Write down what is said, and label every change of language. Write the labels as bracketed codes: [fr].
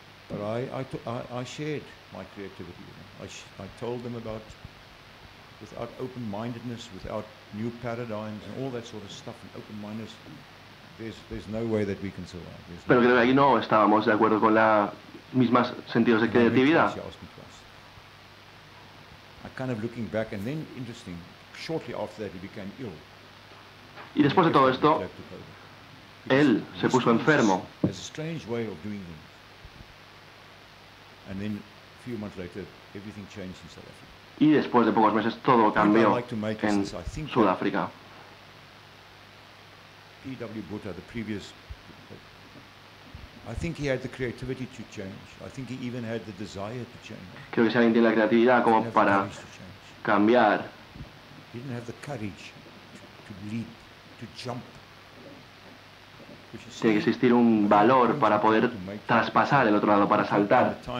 [en] But I shared my creativity. I told them about without open-mindedness, without new paradigms and all that sort of stuff, and open-mindedness, there's no way that we can survive. [es] Pero creo que ahí no estábamos de acuerdo con los mismos sentidos de creatividad. [en] I kind of looking back, and then interesting, shortly after that he became ill. [es] Y después de todo esto, él se puso enfermo. [en] As a strange way of doing things. And then a few months later, everything changed in South Africa. [es] Y después de pocos meses todo cambió en Sudáfrica. [en] P.W. Botha, the previous, I think he had the creativity to change. I think he even had the desire to change. [es] Creo que si alguien tiene la creatividad como para cambiar. [en] He didn't have the courage to leap, to jump. [es] Tiene que existir un valor para poder traspasar el otro lado, para saltar.